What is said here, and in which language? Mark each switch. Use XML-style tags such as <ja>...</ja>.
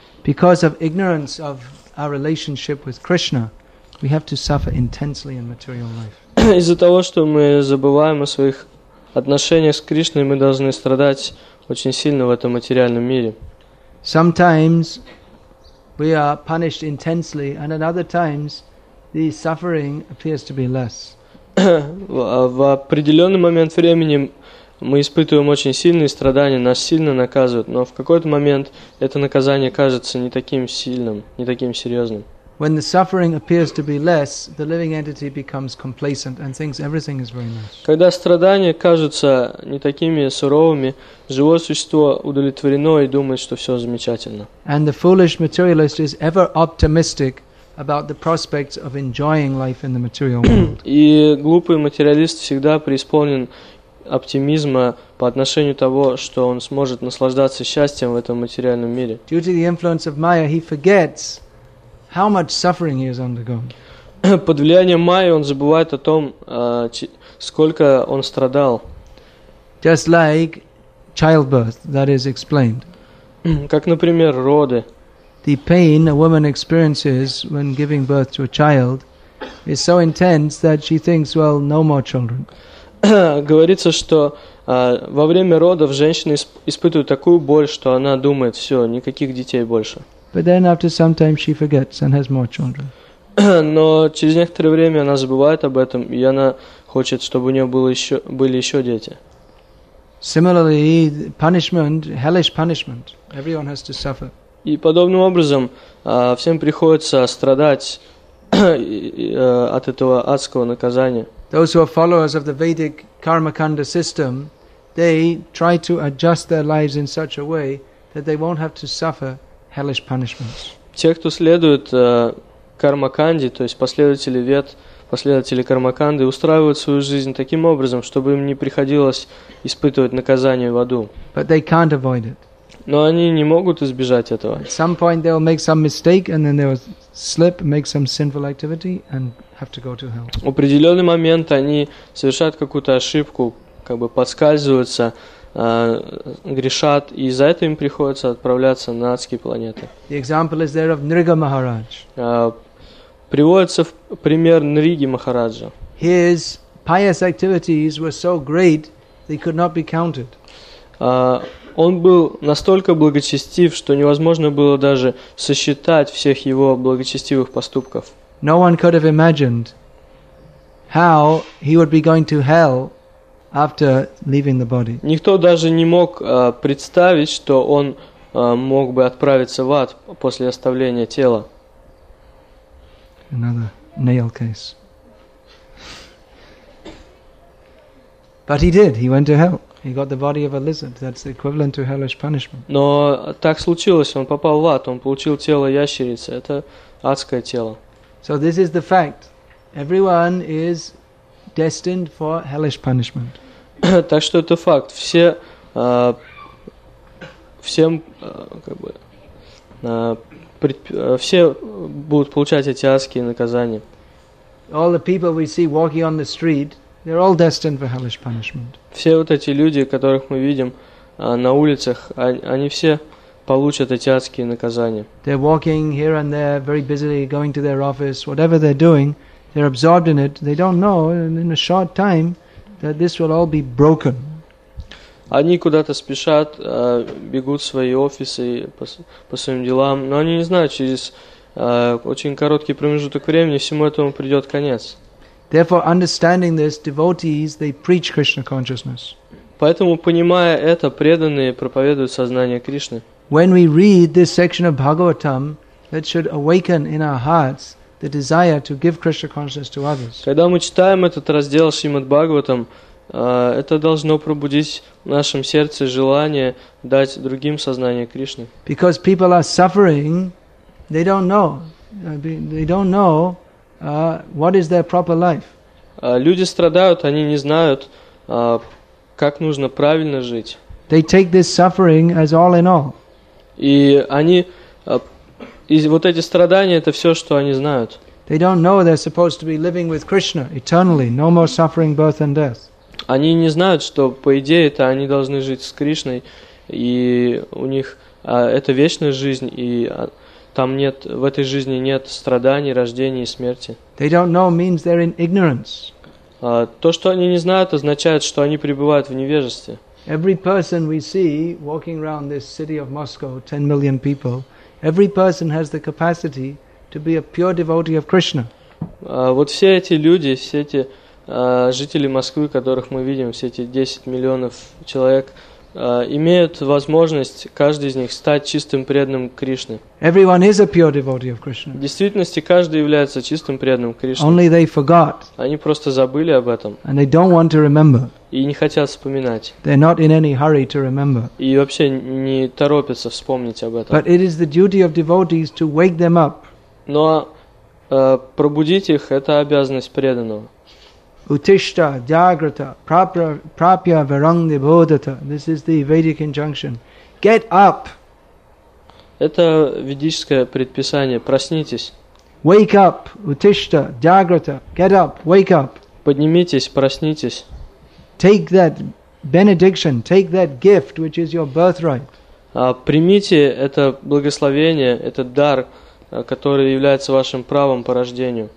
<en>Because of ignorance of our relationship with Krishna, we have to suffer intensely in material life.</en> <ru>Из-за того, что мы забываем о своих отношения с Кришной, мы должны страдать очень сильно в этом материальном мире.</ru> <en>Sometimes we are punished intensely, and at other times the suffering appears to be less.</en> <ru>В определенный момент времени мы испытываем очень сильные страдания, нас сильно наказывают, но в какой-то момент это наказание кажется не таким сильным, не таким серьезным.</ru> <en>When the suffering appears to be less, the living entity becomes complacent and thinks everything is very nice.</en> <ru>Когда страдания кажутся не такими суровыми, живое существо удовлетворено и думает, что все замечательно.</ru> <en>And the foolish materialist is ever optimistic about the prospects of enjoying life in the material world.</en> <ru>И глупый материалист всегда преисполнен оптимизма по отношению того, что он сможет наслаждаться счастьем в этом материальном мире.</ru> <en>Due to the influence of Maya, he forgets how much suffering he has undergone.</en> <ru>Под влиянием Майи он забывает о том, сколько он страдал.</ru> <en>Just like childbirth, that is explained.</en> <ru>Как, например, роды.</ru> <en>The pain a woman experiences when giving birth to a child is so intense that she thinks, well, no more children.</en> <ru>Говорится, что во время родов женщина испытывает такую боль, что она думает, все, никаких детей больше.</ru> <en>But then after some time she forgets and has more children.</en> <ru>Но через некоторое время она забывает об этом, и она хочет, чтобы у нее были еще дети.</ru> <en>Similarly, punishment, hellish punishment, everyone has to suffer.</en> <ru>И подобным образом всем приходится страдать от этого адского наказания.</ru> <en>Those who are followers of the Vedic Karmakanda system, they try to adjust their lives in such a way that they won't have to suffer hellish punishments.</en> <ru>Те, кто следует Кармаканде, то есть последователи Вед, последователи Кармаканды, устраивают свою жизнь таким образом, чтобы им не приходилось испытывать наказание в аду.</ru> <en>But they can't avoid it.</en> <ru>Но они не могут избежать этого.</ru> <en>At some point they will make some mistake and then they will slip, make some sinful activity and have to go to hell.</en> <ru>В определенный момент они совершают какую-то ошибку, как бы подскальзываются, грешат, и из-за этого им приходится отправляться на адские планеты.</ru> <en>The example is there of Nriga Maharaj.</en> <ru>Приводится в пример Нриги Махараджа.</ru> <en>His pious activities were so great they could not be counted.</en> <ru>Он был настолько благочестив, что невозможно было даже сосчитать всех его благочестивых поступков.</ru> <en>No one could have imagined how he would be going to hell after leaving the body.</en> <ru>Никто даже не мог представить, что он мог бы отправиться в ад после оставления тела.</ru> <en>Another nail case. But he did. He went to hell. He got the body of a lizard. That's equivalent to hellish punishment.</en> <ru>Но так случилось, он попал в ад, он получил тело ящерицы. Это адское тело.</ru> <en>So this is the fact. Everyone is destined for hellish punishment.</en> <ru>Так что это факт. Все всем как бы все будут получать эти адские наказания.</ru> <en>All the people we see walking on the street, they're all destined for hellish punishment.</en> <ru>Все вот эти люди, которых мы видим на улицах, они все получат эти адские наказания.</ru> <en>They're walking here and there, very busily going to their office, whatever they're doing, they're absorbed in it. They don't know in a short time that this will all be broken.</en> <ru>Они куда-то спешат, бегут в свои офисы по своим делам, но они не знают, через очень короткий промежуток времени всему этому придет конец.</ru> <en>Therefore, understanding this, devotees, they preach Krishna consciousness.</en> <ru>Поэтому, понимая это, преданные проповедуют сознание Кришны.</ru> <en>When we read this section of Bhagavatam, that should awaken in our hearts the desire to give Krishna consciousness to others.</en> <ru>Когда мы читаем этот раздел Шримад-Бхагаватам, это должно пробудить в нашем сердце желание дать другим сознание Кришны.</ru> <en>Because people are suffering, they don't know. What is their proper life?</en> <ru>Люди страдают, они не знают, как нужно правильно жить.</ru> <en>They take this suffering as all in all.</en> <ru>И они и вот эти страдания это все, что они знают.</ru> <en>They don't know they're supposed to be living with Krishna eternally, no more suffering, birth and death.</en> <ru>Они не знают, что по идее это они должны жить с Кришной и у них это вечная жизнь и там нет, в этой жизни нет страданий, рождения и смерти.</ru> <en>They don't know means they're in ignorance.</en> <ru>То, что они не знают, означает, что они пребывают в невежестве.</ru> <en>Every person we see walking around this city of Moscow, 10 million people, every person has the capacity to be a pure devotee of Krishna.</en> <ru>Вот все эти люди, все эти жители Москвы, которых мы видим, все эти 10 миллионов человек, имеют возможность каждый из них стать чистым преданным Кришны.</ru> <en>Everyone is a pure devotee of Krishna.</en> <ru>В действительности каждый является чистым преданным Кришны.</ru> <en>Only they forgot.</en> <ru>Они просто забыли об этом.</ru> <en>And they don't want to remember.</en> <ru>И не хотят вспоминать.</ru> <en>They're not in any hurry to remember.</en> <ru>И вообще не торопятся вспомнить об этом.</ru> <en>But it is the duty of devotees to wake them up.</en> <ru>Но пробудить их это обязанность преданного.</ru> <sa>Utishta, Jagrata, Prapya, Varang, Nibodhata.</sa> <en>This is the Vedic injunction. Get up!</en> <ru>Это ведическое предписание. Проснитесь.</ru> <en>Wake up!</en> <sa>Utishta, Jagrata.</sa> <en>Get up! Wake up!</en> <ru>Поднимитесь, проснитесь.</ru> <en>Take that benediction, take that gift, which is your birthright.</en> <ru>Примите это благословение, этот дар, который является вашим правом по рождению.</ru>